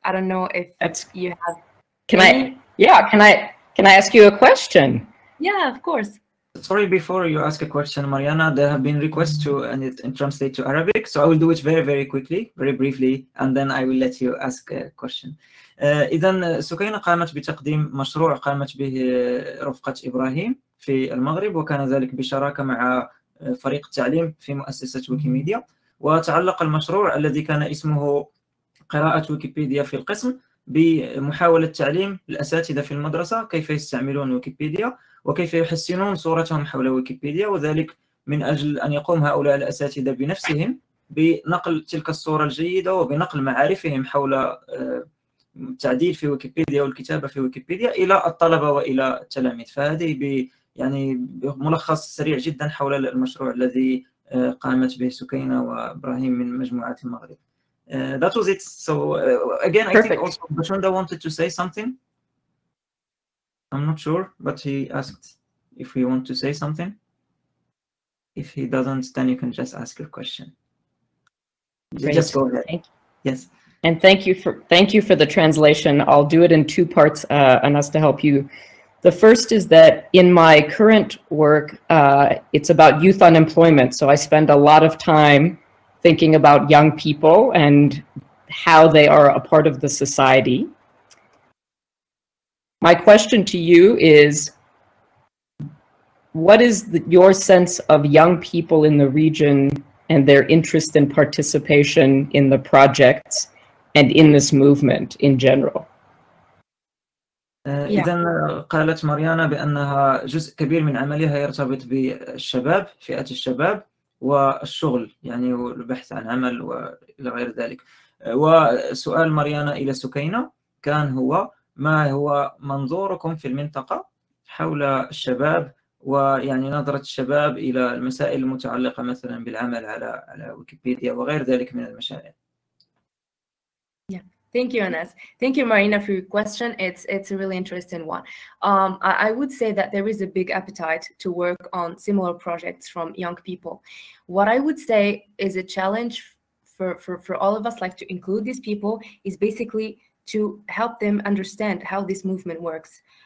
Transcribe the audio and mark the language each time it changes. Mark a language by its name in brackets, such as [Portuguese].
[English] I don't know if you have. Can I ask you a question? Yeah, of course. Sorry, before you ask a question, Mariana, there have been requests to and it translate to Arabic, so I will do it very, very quickly, very briefly, and then I will let you ask a question. [Arabic] إذن سكينة قامت بتقديم مشروع قامت به رفقة إبراهيم في المغرب وكان ذلك بشراكة مع فريق التعليم في مؤسسة ويكيميديا وتعلق المشروع الذي كان اسمه قراءة ويكيبيديا في القسم بمحاولة تعليم الأساتذة في المدرسة كيف يستعملون ويكيبيديا وكيف يحسنون صورتهم حول ويكيبيديا وذلك من أجل أن يقوم هؤلاء الأساتذة بنفسهم بنقل تلك الصورة الجيدة وبنقل معارفهم حول التعديل في ويكيبيديا والكتابة في ويكيبيديا إلى الطلبة وإلى التلاميذ. فهذه يعني ملخص سريع جدا حول المشروع الذي قامت به سكينة وإبراهيم من مجموعة المغرب. [English] That was it. So again, perfect. I think also Bashunda wanted to say something. I'm not sure, but he asked if we want to say something. If he doesn't, then you can just ask your question. Great. Just go ahead. Thank you. Yes. And thank you for the translation. I'll do it in two parts, Anas, to help you. The first is that in my current work, it's about youth unemployment. So I spend a lot of time thinking about young people and how they are a part of the society. My question to you is, what is your sense of young people in the region and their interest in participation in the projects and in this movement in general? [Arabic] إذن قالت ماريانا بأنها جزء كبير من عملها يرتبط بالشباب، فئة الشباب والشغل، يعني البحث عن عمل وإلى غير ذلك. وسؤال ماريانا إلى سكينة كان هو: ما هو منظوركم في المنطقة حول الشباب، ويعني نظرة الشباب إلى المسائل المتعلقة مثلا بالعمل على ويكيبيديا وغير ذلك من المشاريع؟ [English] Thank you, Anas. Thank you, Marina, for your question. It's a really interesting one. I would say that there is a big appetite to work on similar projects from young people. What I would say is a challenge for all of us, like to include these people, is basically to help them understand how this movement works.